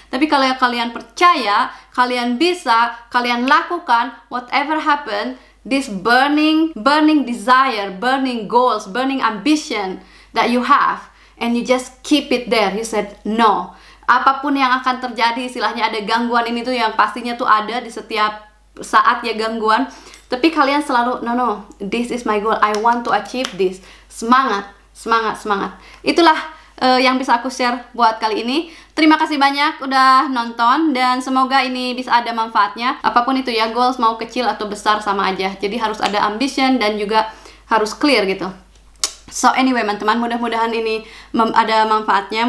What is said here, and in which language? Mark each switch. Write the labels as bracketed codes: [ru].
[id] Tapi kalau kalian percaya, kalian bisa, kalian lakukan, [en] whatever happen, this burning desire, burning goals, burning ambition that you have, and you just keep it there. You said no. [id] Apapun yang akan terjadi, istilahnya ada gangguan ini tuh yang pastinya tuh ada di setiap saat ya gangguan. Tapi kalian selalu, [en] no, this is my goal, I want to achieve this. [id] Semangat. Itulah yang bisa aku share buat kali ini. Terima kasih banyak udah nonton, dan semoga ini bisa ada manfaatnya. Apapun itu ya, goals mau kecil atau besar sama aja. Jadi harus ada ambition dan juga harus clear gitu. [en] So anyway, [id] teman-teman, mudah-mudahan ini ada manfaatnya.